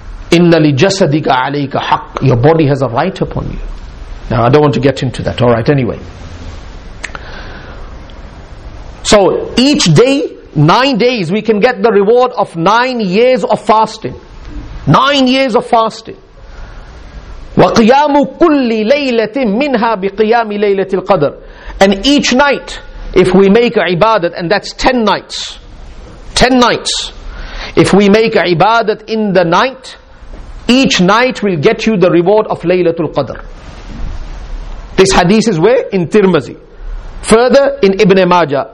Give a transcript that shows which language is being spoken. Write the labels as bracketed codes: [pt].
[ar] Inna li jasadika alayka haq. [en] Your body has a right upon you. Now, I don't want to get into that. All right, anyway. So, each day, 9 days, we can get the reward of 9 years of fasting. 9 years of fasting. [ar] وَقِيَامُ كُلِّ لَيْلَةٍ مِّنْهَا بِقِيَامِ لَيْلَةِ الْقَدْرِ. [en] And each night, if we make ibadat, and that's 10 nights, 10 nights, if we make ibadat in the night, each night will get you the reward of Laylatul Qadr. This hadith is where? In Tirmizi. Further, in Ibn Majah.